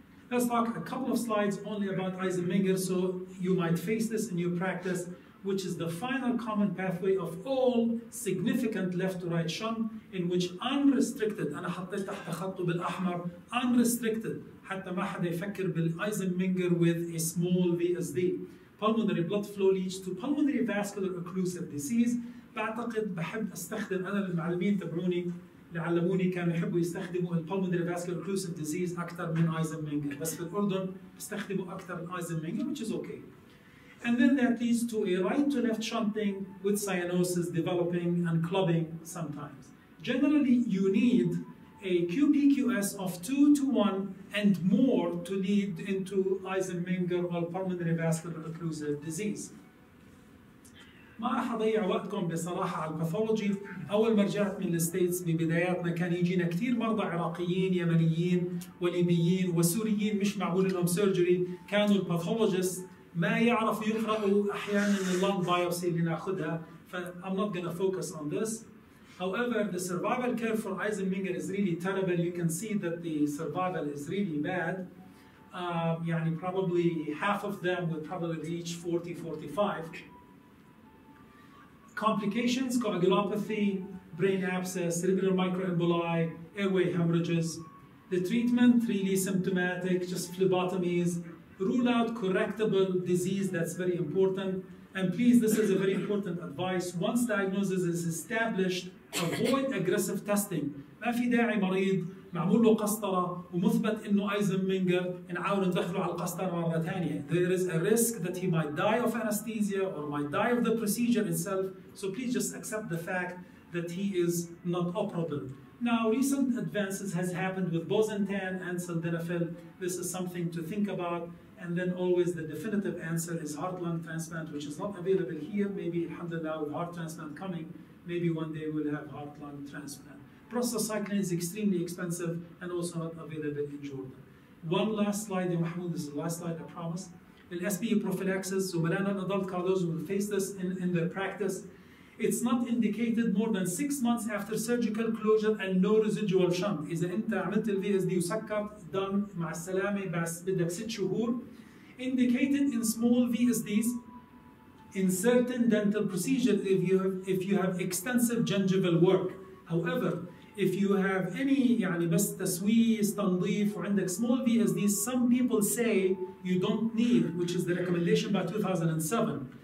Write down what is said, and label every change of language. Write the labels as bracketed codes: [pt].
[en] Let's talk a couple of slides only about Eisenmenger, so you might face this in your practice, which is the final common pathway of all significant left to right shunt, in which unrestricted, [ar] أنا حطيت تحت خطه بالأحمر, [en] unrestricted, [ar] حتى ما حدا يفكر بالأيزنمنجر [en] with a small VSD. Pulmonary blood flow leads to pulmonary vascular occlusive disease. [ar] بعتقد بحب استخدم أنا للمعلمين تبعوني لعلموني كانوا يحبوا يستخدموا [en] pulmonary vascular occlusive disease [ar] أكثر من أيزنمنجر. بس في الأردن استخدموا أكثر الأيزنمنجر, [en] which is okay. And then that leads to a right to left shunting with cyanosis developing and clubbing sometimes. Generally, you need a QPQS of 2 to 1 and more to lead into Eisenmenger or pulmonary vascular occlusive disease. [ar] ما راح اضيع وقتكم بصراحه على الباثولوجي. اول ما رجعت من الستيتس ببداياتنا كان يجينا كثير مرضى عراقيين يمنيين وليبيين وسوريين مش معقول لهم سيرجري, كانوا الباثولوجيست ما يعرف يقرأوا أحياناً اللون بايوبسي اللي ناخدها, ف [en] I'm not gonna focus on this. However, the survival curve for Eisenmenger is really terrible. You can see that the survival is really bad. يعني probably half of them will probably reach 40-45. Complications, coagulopathy, brain abscess, cerebral microemboli, airway hemorrhages. The treatment, really symptomatic, just phlebotomies. Rule out correctable disease, that's very important. And please, this is a very important advice. Once diagnosis is established, avoid aggressive testing. [ar] ما في داعي مريض معمول له قسطرة ومثبت انه Eisenmenger نعاود ندخله على القسطرة مرة ثانية. [en] There is a risk that he might die of anesthesia or might die of the procedure itself. So please just accept the fact that he is not operable. Now, recent advances has happened with bosentan and sildenafil. This is something to think about. And then always the definitive answer is heart-lung transplant, which is not available here. Maybe, alhamdulillah, with heart transplant coming, maybe one day we'll have heart-lung transplant. Prostacycline is extremely expensive and also not available in Jordan. One last slide, Ya Mahmoud, this is the last slide, I promise. The SBE prophylaxis, so Malana and adult cardiologists will face this in their practice. It's not indicated more than 6 months after surgical closure and no residual shunt. [ar] إذا أنت عملت الـ VSD وسكرت, done, مع السلامة, بس بدك 6 شهور. [en] Indicated in small VSDs, in certain dental procedures, if you have extensive gingival work. However, if you have any, [ar] يعني بس تسويس, تنظيف, وعندك [en] small VSDs, some people say you don't need, which is the recommendation by 2007.